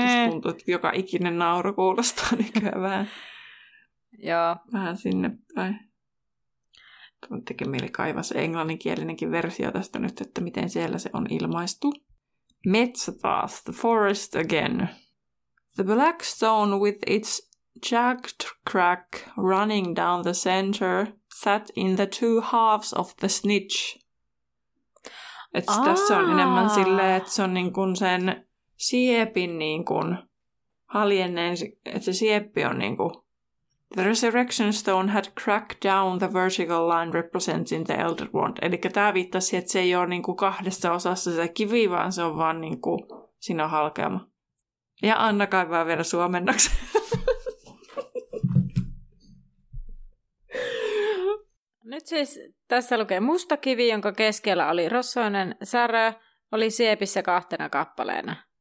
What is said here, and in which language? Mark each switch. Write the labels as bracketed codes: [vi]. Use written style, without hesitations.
[fi] Tuntuu, että joka ikinen nauru kuulostaa nykyään vähän. Joo. Vähän sinne päin. Tuntikin mieli kaivas englanninkielinenkin versio tästä nyt, että miten siellä se on ilmaistu. Metsä taas, [en] the forest again. The black stone with its jagged crack running down the center sat in the two halves of the snitch. [fi] Et tässä on enemmän silleen, että se on niin kuin sen siepin niin kuin haljenneen, että se sieppi on niin kuin. [en] The resurrection stone had cracked down the vertical line representing the Elder Wand. [fi] Eli tämä viittasi, että se ei ole niin kuin kahdessa osassa se kivi, vaan se on vaan niin kuin, siinä on halkeama. Ja Anna kaivaa vielä suomennoksi. Nyt siis tässä lukee musta kivi, jonka keskellä oli rosoinen särö, oli siepissä kahtena kappaleena.